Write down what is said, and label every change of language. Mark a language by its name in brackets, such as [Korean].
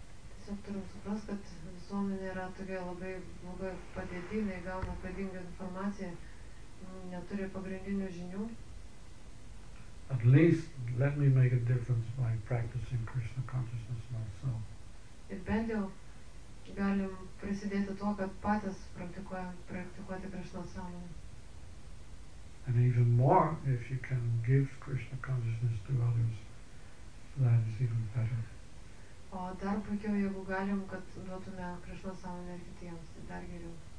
[Lithuanian] Tiesiog turim suprast, kad visuomenė yra tokia labai blogai padėtinai, gauna klaidingą informaciją, neturi pagrindinių žinių. [English] At least let me make a difference by practicing Krishna consciousness myself. [Lithuanian] Ir bent jau galim prisidėti to, kad patys praktikuoti Krishna sąmonę. [English] And even more, if you can give Krishna consciousness to others, that is even better. [Lithuanian] O dar puikiau, jeigu galim, kad duotume Krishna sąmonę ir kitiems, tai dar geriau.